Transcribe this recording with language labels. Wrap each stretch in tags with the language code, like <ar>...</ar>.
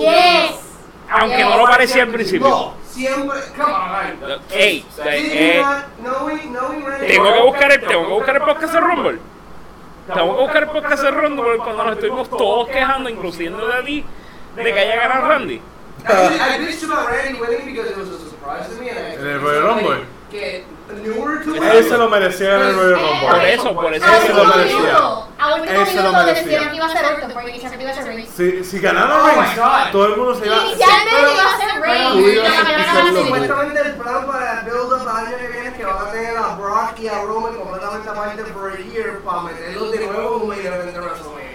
<en>Yes.</en> <es>Aunque no lo parecía al principio. Siempre, come on,</es> <en>man. Hey, like, knowing</en> <es>tengo que buscar el podcast de Rumble. Tengo que buscar el podcast de Rumble cuando nos estuvimos todos quejando, incluyendo de ti, de que haya ganado Randy.</es> <en>I bitched about Randy winning because it was a surprise to me.</en> <es>En el Royal Rumble. Él se lo merecía en el Royal Rumble. Por eso. Él se lo merecía. Él se lo merecía. Iba a ser Orton, porque iba a ser Randy. Si ganaron Randy, todo el mundo se iba a... Inicialmente iba a ser supuestamente el plan para el build up al año que viene es que van a tener a Brock y a Roman completamente aparte por el year para meterlos de nuevo en un medio de WrestleMania.</es>